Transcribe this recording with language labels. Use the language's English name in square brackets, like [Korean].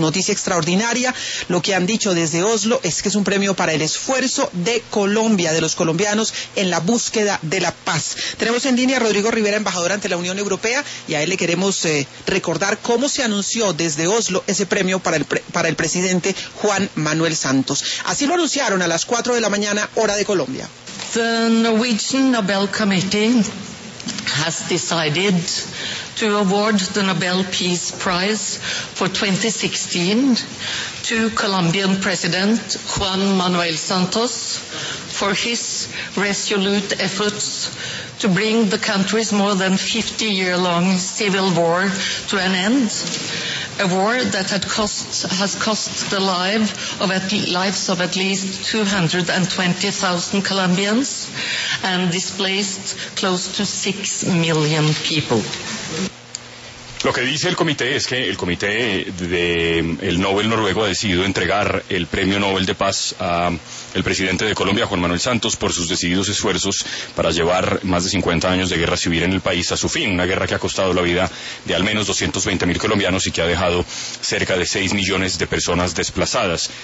[Spanish] Noticia extraordinaria, lo que han dicho desde Oslo es que es un premio para el esfuerzo de Colombia, de los colombianos en la búsqueda de la paz. Tenemos en línea a Rodrigo Rivera, embajador ante la Unión Europea, y a él le queremos recordar cómo se anunció desde Oslo ese premio para el presidente Juan Manuel Santos. Así lo anunciaron a las 4 de la mañana, hora de Colombia. [English] The Norwegian Nobel Committee has decided to award the Nobel Peace Prize for 2016 to Colombian President Juan Manuel Santos for his resolute efforts to bring the country's more than 50-year-long civil war to an end. A war that has cost the lives of at least 220,000 Colombians and displaced close to 6 million people. [Spanish] Lo que dice el comité es que el comité de el Nobel noruego ha decidido entregar el Premio Nobel de Paz a el presidente de Colombia, Juan Manuel Santos, por sus decididos esfuerzos para llevar más de 50 años de guerra civil en el país a su fin. Una guerra que ha costado la vida de al menos 220 mil colombianos y que ha dejado cerca de 6 millones de personas desplazadas.